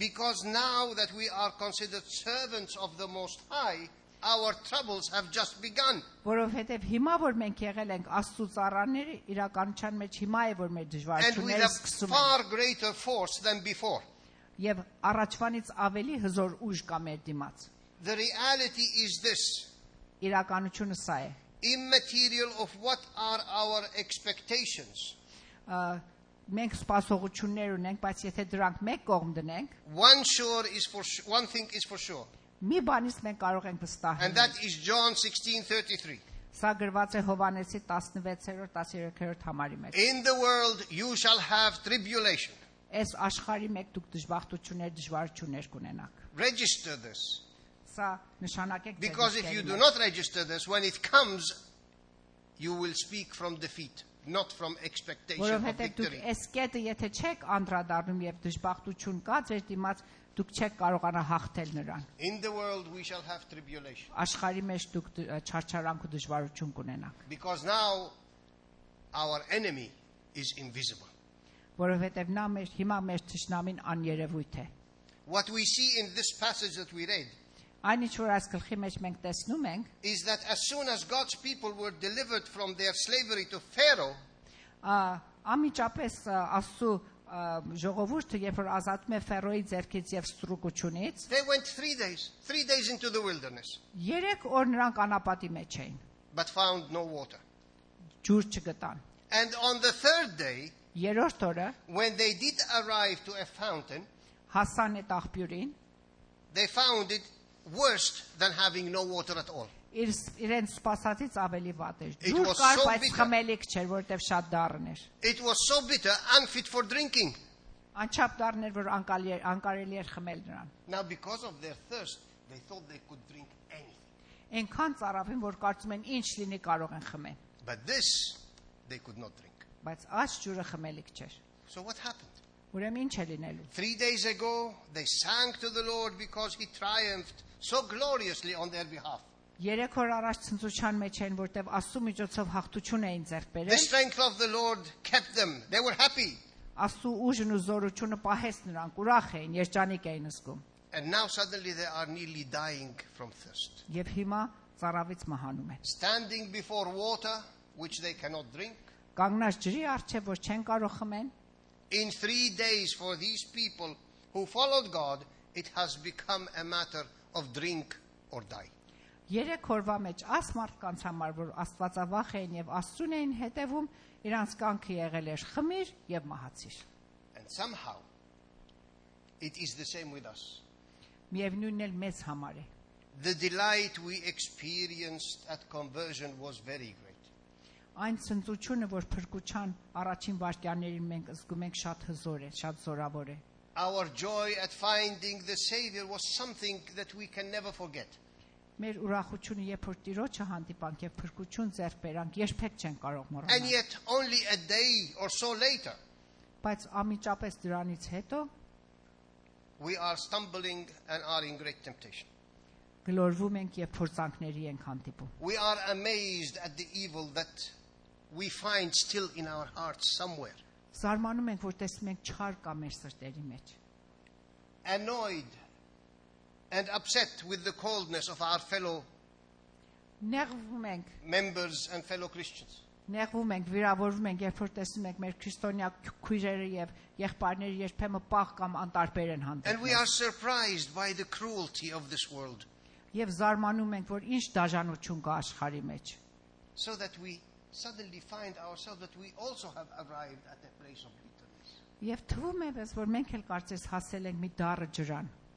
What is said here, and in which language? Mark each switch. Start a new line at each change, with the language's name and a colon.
English: Because now that we are considered servants of the Most High, our troubles have just begun.
Armenian: Որովհետև հիմա որ մենք եղել ենք Աստծո ծառաները, իրականության մեջ հիմա է որ մեր դժվարությունները սկսում են։
English: And we have far greater force than before.
Armenian: Եվ առաջվանից ավելի հզոր ուժ կա մեր դիմաց։
English: The reality is this.
Armenian: Իրականությունը սա է։
English: Immaterial of what are our expectations.
Armenian: Մենք սպասողություններ ունենք, բայց եթե դրանք մեկ կողմ դնենք,
English: one thing is for sure.
Armenian: Մի բանից մենք կարող ենք վստահել։
English: And that is John 16:33.
Armenian: Սա գրված է Հովանեսի 16-րդ 13-րդ համարի մեջ։
English: In the world you shall have tribulation.
Armenian: Այս աշխարհի մեջ դուք դժբախտություններ, դժվարություններ կունենաք։
English: Register this.
Armenian: Սա նշանակեք։
English: Because if you do not register this, when it comes, you will speak from defeat, not from expectation of victory.
Armenian: Դուք այս կետը եթե չեք անդրադառնում եւ դժբախտություն կա ձեր դիմաց, դուք չեք կարողանա հաղթել նրան։
English: In the world we shall have tribulation.
Armenian: Աշխարհի մեջ դուք չարչարանք ու դժվարություն կունենաք։
English: Because now our enemy is invisible.
Armenian: Որովհետև նա մեր հիմա մեր ճշնամին աներևույթ է։
English: What we see in this passage that we read.
Armenian: Այնինչ որ այս գլխի մեջ մենք տեսնում ենք,
English: is that as soon as God's people were delivered from their slavery to Pharaoh,
Armenian: ամիջապես Աստու ժողովուրդը, երբ որ ազատվում է Ֆերոյի ձեռքից եւ ստրուկությունից,
English: they went 3 days into the wilderness.
Armenian: 3 օր նրանք անապատի մեջ էին.
English: But found no water.
Armenian: Ջուր չգտան.
English: And on the 3rd day,
Armenian: 3-րդ օրը,
English: when they did arrive to a fountain,
Armenian: հասան այդ աղբյուրին,
English: they found it worse than having no water at all.
Armenian: Իրեն սպասածից ավելի վատ էր։ Ջուր կար, բայց խմելիք չէր, որտեղ շատ դառն էր։
English: It was so bitter, unfit for drinking.
Armenian: Անչափ դառն էր, որ անկարելի էր խմել նրան։
English: Now because of their thirst, they thought they could drink anything.
Armenian: Ինքան ծառավին, որ կարծում են ինչ լինի կարող են խմել։
English: But this they could not drink.
Armenian: Բայց այս ջուրը խմելիք չէր.
English: So what happened?
Armenian: Ուրեմն ինչ է լինելու?
English: 3 days ago, they sang to the Lord because He triumphed so gloriously on their behalf.
Armenian: Երեք օր առաջ ցնցության մեջ էին, որտեղ Աստու միջոցով հաղթություն էին ձեռք բերել.
English: The strength of the Lord kept them. They were happy.
Armenian: Աստու ուժն ու զորությունը պահեց նրանք, ուրախ էին, երջանիկ էին զգում.
English: And now suddenly they are nearly dying from thirst.
Armenian: Եվ հիմա ծարավից մահանում են.
English: Standing before water which they cannot drink.
Armenian: Կանգնած ջրի առջև, որ չեն կարող խմել.
English: In 3 days for these people who followed God, it has become a matter of drink or die.
Armenian: Երեք օրվա մեջ աս մարդկանց համար, որ աստվածավախ էին եւ աստուն էին հետեւում, իրանց կանքը եղել էր խմիր եւ մահացիր.
English: And somehow it is the same with us.
Armenian: Միևնույնն էլ մեզ համար է.
English: The delight we experienced at conversion was very great.
Armenian: Այն ցնծությունը, որ փրկության առաջին վարկյաններին մենք զգում ենք, շատ հզոր է, շատ զորավոր է.
English: Our joy at finding the Savior was something that we can never forget.
Armenian: Մեր ուրախությունը, երբ որ Տիրոջը հանդիպանք եւ փրկություն ձեռք բերանք, երբեք չեն կարող մոռանալ։
English: And yet only a day or so later.
Armenian: Բայց ամիջապես դրանից հետո
English: we are stumbling and are in great temptation.
Armenian: Գլորվում ենք եւ փորձանքների ենք հանդիպում։
English: We are amazed at the evil that we find still in our hearts somewhere.
Armenian: Զարմանում ենք, որ տեսնում ենք չար կա մեր սրտերի մեջ։
English: Annoyed and upset with the coldness of our fellow members and fellow Christians.
Armenian: Ներվում ենք, վիրավորվում ենք, երբ որ տեսնում ենք մեր քրիստոնյա քույրերը եւ եղբայրները երբեմն պաղ կամ անտարբեր են հանդիպում։
English: And we are surprised by the cruelty of this world.
Armenian: Եվ զարմանում ենք, որ ինչ դաժանություն կա աշխարի մեջ։
English: So that we suddenly find ourselves that we also have arrived at a place of bitterness.
Armenian: Եվ թվում է, որ մենք էլ կարծես հասել ենք մի դառը ջրան։